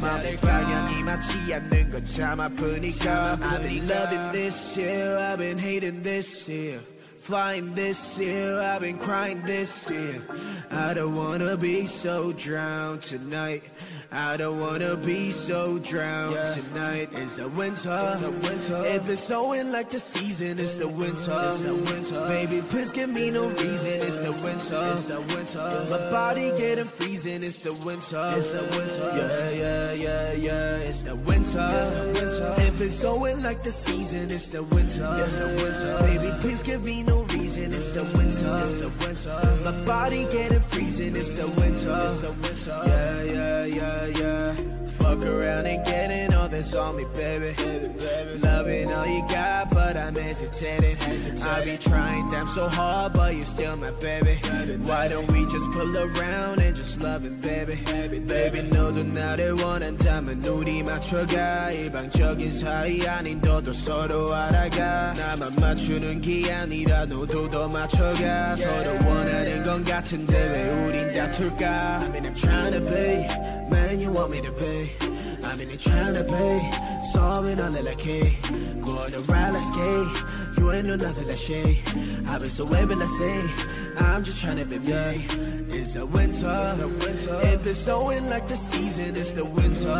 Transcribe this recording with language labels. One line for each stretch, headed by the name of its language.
Korean: 마음의 방향이 맞지 않는 건 참 아프니까.
English: I've been loving this year, I've been hating this year. Flying this year, I've been crying this year. I don't wanna be so drowned tonight. I don't wanna be so drowned tonight. It's a winter, it's a winter. If it's snowing like the season, it's the winter, it's the winter. Baby, please give me no reason, it's the winter, it's the winter. My body getting freezing, it's the winter, it's the winter. Yeah, yeah, yeah, yeah, it's the winter, it's the winter. If it's snowing like the season, it's the winter, it's the winter. Baby, please give me no reason, it's the winter, it's the winter. My body getting freezing, it's the winter, it's the winter. Yeah, yeah, yeah. Yeah, fuck around and getting all this on me, baby. Baby, baby. Loving all you got, but I'm hesitating. I be trying damn so hard, but you're still my baby. Why don't we just pull around and just love it, baby? Baby,
Korean: 너도 나를 원한다면 눈이 맞춰가. 일방적인 사이 아닌 너도 서로 알아가. 나만 맞추는 게 아니라 너도 더 맞춰가. 서로 원하는 건 같은데 왜 우린 다툴까?
English: I mean, I'm trying to pay. Man, you want me to pay? I mean, I'm trying to pay. Solving all that I can. Go on a ride, let's skate. you ain't no nothing like shade. I've been so wavy, let's say. I'm just trying to be me. It's a winter. If it's snowing like the season, it's the winter.